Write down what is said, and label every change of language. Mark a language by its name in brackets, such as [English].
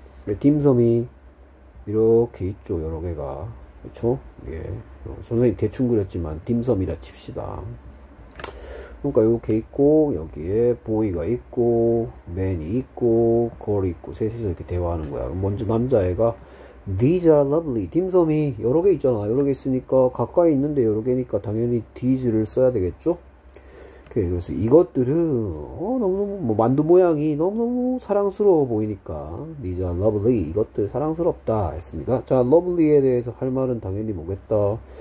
[Korean] 딤섬이 이렇게 있죠, 여러 개가. 그렇죠? 예. 선생님 대충 그렸지만 딤섬이라 칩시다. 그러니까 이렇게 있고 여기에 보이가 있고 맨이 있고 걸이 있고 셋이서 이렇게 대화하는 거야. 먼저 남자애가 [English] These are lovely. [Korean] 딤섬이 여러 개 있잖아. 여러 개 있으니까 가까이 있는데 여러 개니까 당연히 these를 써야 되겠죠? 오케이. 그래서 이것들은 너무너무 뭐 만두 모양이 너무너무 사랑스러워 보이니까 [English] These are lovely. [Korean] 이것들 사랑스럽다 했습니다. 자, lovely에 대해서 할 말은 당연히 뭐겠다.